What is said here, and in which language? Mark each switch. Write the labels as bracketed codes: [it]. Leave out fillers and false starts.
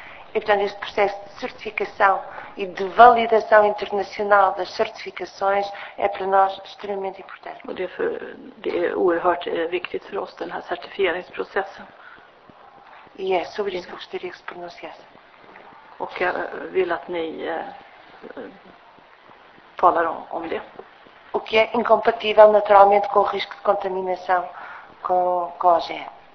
[pt] E, portanto, este processo de certificação e de validação internacional das certificações é para nós extremamente importante. [sv] Och det är oerhört viktigt för oss, den här certifieringsprocessen. [pt] E é sobre isso que gostaria que se pronunciasse. [sv] Och jag vill att ni falar om det. [pt] O que é incompatível naturalmente com o risco de contaminação com a OGM.